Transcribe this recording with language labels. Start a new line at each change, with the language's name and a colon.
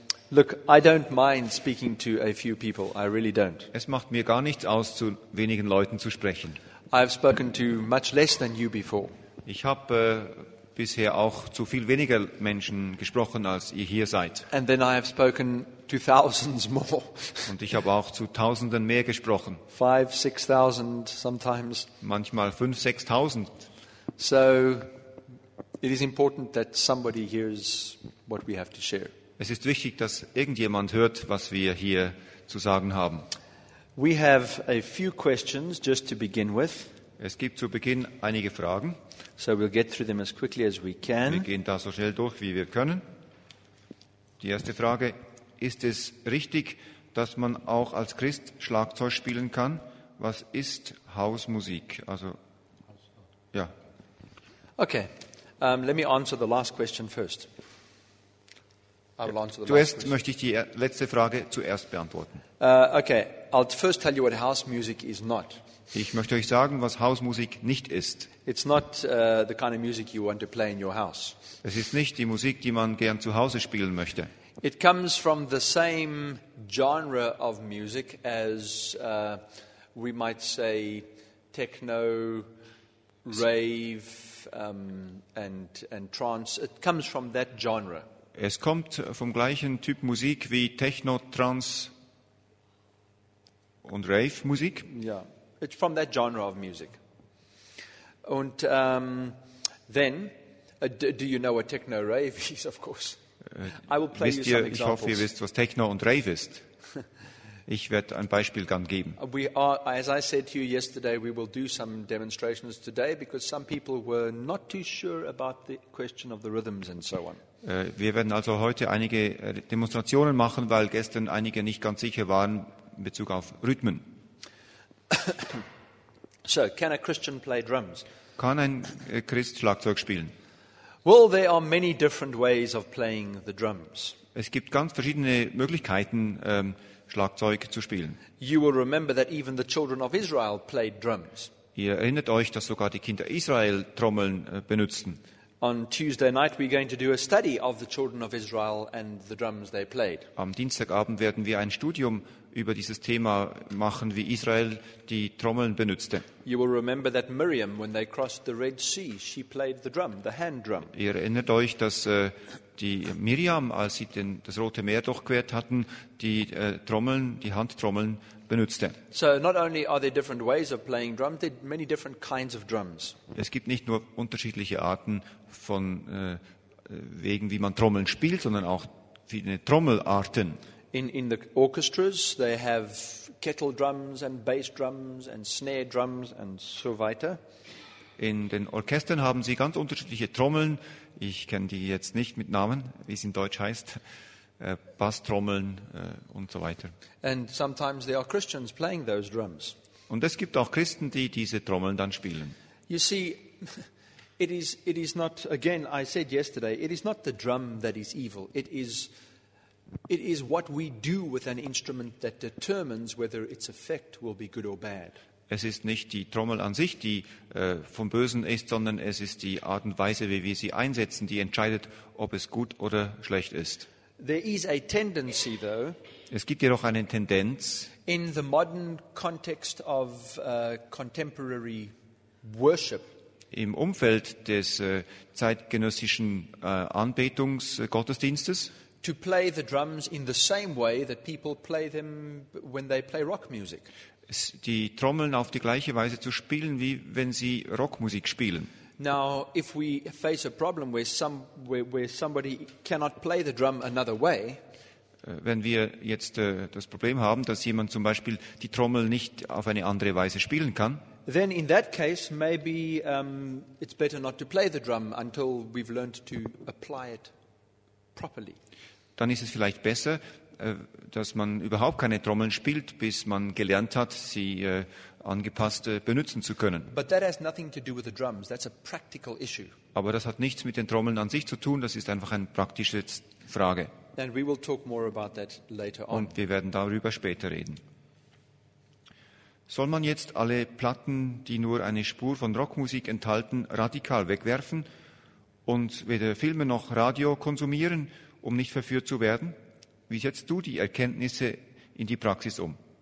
English: Look, I don't mind speaking to a few people. I really don't.
German: Es macht mir gar nichts aus, zu wenigen Leuten zu sprechen.
English: I've spoken to much less than you before.
German: Ich habe bisher auch zu viel weniger Menschen gesprochen, als ihr hier seid.
English: And then I have spoken to thousands more.
German: Und ich habe auch zu Tausenden mehr gesprochen.
English: 5,000, 6,000 sometimes.
German: Manchmal 5,000, 6,000.
English: So, it is important that somebody hears what we have to share.
German: Es ist wichtig, dass irgendjemand hört, was wir hier zu sagen haben.
English: We have a few questions just to begin with.
German: Es gibt zu Beginn einige Fragen.
English: So we'll get through them as quickly as we can.
German: Wir gehen da so schnell durch, wie wir können. Die erste Frage: Ist es richtig, dass man auch als Christ Schlagzeug spielen kann? Was ist Hausmusik? Also, ja.
English: Okay, let me answer the last question first.
German: Zuerst möchte ich die letzte Frage zuerst beantworten.
English: Okay, I'll first tell you what house music is not.
German: Ich möchte euch sagen, was Hausmusik nicht ist.
English: It's not the kind of music you want to play in your house.
German: Es ist nicht die Musik, die man gern zu Hause spielen möchte.
English: It comes from the same genre of music as we might say techno, rave and trance. It comes from that genre.
German: Es kommt vom gleichen Typ Musik wie Techno, Trance und Rave Musik. Ja. Yeah.
English: It's from that genre of music. And then, do you know what techno rave is? Of course, I will play you some examples.
German: Ich hoffe, ihr wisst, was techno und rave ist. Ich werde ein Beispiel dann geben.
English: We are, as I said to you yesterday, we will do some demonstrations today because some people were not too sure about the question of the rhythms and so on.
German: Wir werden also heute einige Demonstrationen machen, weil gestern einige nicht ganz sicher waren in Bezug auf Rhythmen.
English: So, can a Christian play drums?
German: Kann ein Christ Schlagzeug spielen?
English: Well, there are many different ways of playing the drums.
German: Es gibt ganz verschiedene Möglichkeiten, Schlagzeug zu spielen.
English: You will remember that even the children of Israel played drums.
German: Ihr erinnert euch, dass sogar die Kinder Israel Trommeln benutzten.
English: On Tuesday night we're going to do a study of the children of Israel and the drums they played.
German: Am Dienstagabend werden wir ein Studium über dieses Thema machen, wie Israel die Trommeln benutzte.
English: You will remember that Miriam, when they crossed the Red Sea, she played the drum, the hand drum.
German: Ihr erinnert euch, dass die Miriam, als sie das Rote Meer durchquert hatten, die Trommeln, die Handtrommeln benutzte.
English: So not only are there different ways of playing drums, there are many different kinds of drums.
German: Es gibt nicht nur unterschiedliche Arten von Wegen, wie man Trommeln spielt, sondern auch viele Trommelarten.
English: In the orchestras they have kettle drums and bass drums and snare drums and
German: so weiter. In den Orchestern haben sie ganz unterschiedliche Trommeln. Ich kenne die jetzt nicht mit Namen, wie es in Deutsch heißt. Basstrommeln und so weiter.
English: And sometimes there are Christians playing those drums.
German: Und es gibt auch Christen, die diese Trommeln dann spielen.
English: You see, it is not, again, I said yesterday, it is not the drum that is evil. It is what we do with an instrument that determines whether its effect will be good or bad.
German: Es ist nicht die Trommel an sich, die vom Bösen ist, sondern es ist die Art und Weise, wie wir sie einsetzen, die entscheidet, ob es gut oder schlecht ist.
English: There is a tendency, though.
German: Es gibt jedoch eine Tendenz.
English: In the modern context of contemporary worship.
German: Im Umfeld des zeitgenössischen Anbetungsgottesdienstes.
English: To play the drums in the same way that people play them when they play rock music.
German: Die Trommeln auf die gleiche Weise zu spielen, wie wenn sie Rockmusik spielen.
English: Now, if we face a problem where somebody cannot play the drum another way,
German: wenn wir jetzt das Problem haben, dass jemand zum Beispiel die Trommel nicht auf eine andere Weise spielen kann,
English: then in that case maybe it's better not to play the drum until we've learned to apply it properly.
German: Dann ist es vielleicht besser, dass man überhaupt keine Trommeln spielt, bis man gelernt hat, sie angepasst benutzen zu können.
English: But that has nothing to do with the drums. That's a practical issue.
German: Aber das hat nichts mit den Trommeln an sich zu tun, das ist einfach eine praktische Frage.
English: And we will talk more about that later on.
German: Und wir werden darüber später reden. Soll man jetzt alle Platten, die nur eine Spur von Rockmusik enthalten, radikal wegwerfen und weder Filme noch Radio konsumieren, um nicht verführt zu werden? Wie setzt du die Erkenntnisse in die Praxis um?